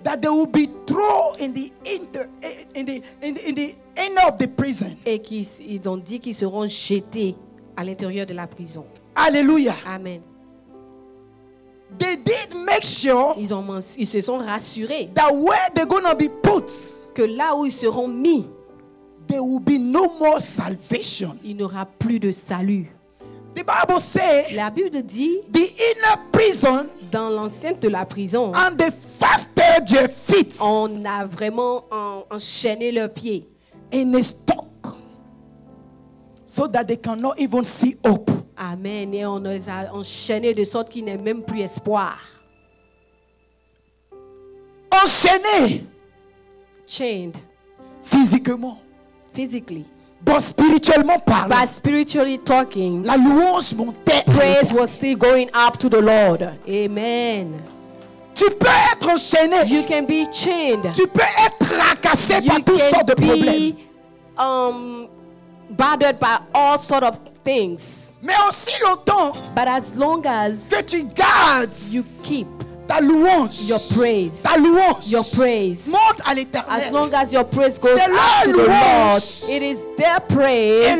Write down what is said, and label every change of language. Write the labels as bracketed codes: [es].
[en] That they would be thrown in the inner of the prison. [fr] Et qu'ils ont dit qu'ils seront jetés à l'intérieur de la prison. Alléluia. Amen. [en] They did make sure [fr] ils se sont rassurés [en] that where they're gonna be put, [fr] que là où ils seront mis, [en] there will be no more salvation. [fr] Il n'y aura plus de salut. [en] The Bible say, [fr] la Bible dit, [en] the inner prison, [fr] dans l'enceinte de la prison, [en] and they fastened their feet, [fr] on a vraiment enchaîné leurs pieds, [en] in a stock, so that they cannot even see hope. Amen. [fr] Et on les a enchaînés de sorte qu'il n'ait même plus espoir. Enchaînés. [en] Chained. [fr] Physiquement. [en] Physically. But spiritually parlant. But spiritually talking. [fr] La louange montait. [en] Praise was still going up to the Lord. Amen. [fr] Tu peux être enchaîné. [en] You can be chained. [fr] Tu peux être tracassé par toutes sortes de problèmes. [en] You can be bothered by all sort of things. [fr] Mais aussi longtemps, [en] but as long as [fr] que tu gardes, [en] you keep [fr] ta louange, [en] your praise, [fr] ta louange, [en] your praise, [fr] monte à l'éternel. [en] As long as your praise goes to the Lord, it is their praise